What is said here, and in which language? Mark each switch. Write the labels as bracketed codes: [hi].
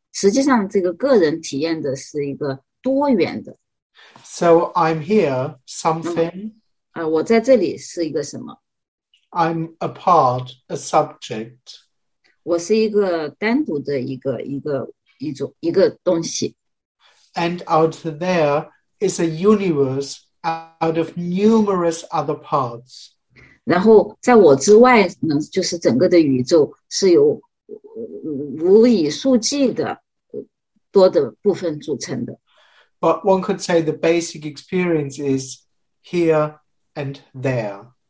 [zh] 实际上，这个个人体验的是一个多元的。 [en] So I'm here, something. [zh] 我在这里是一个什么？ [en] I'm a part, a subject. [zh] 我是一个单独的一个东西。 [en] And out there is a universe out of numerous other parts. [zh] 然后在我之外呢，就是整个的宇宙是由无以数计的多的部分组成的。 [en] But one could say the basic experience is here and there.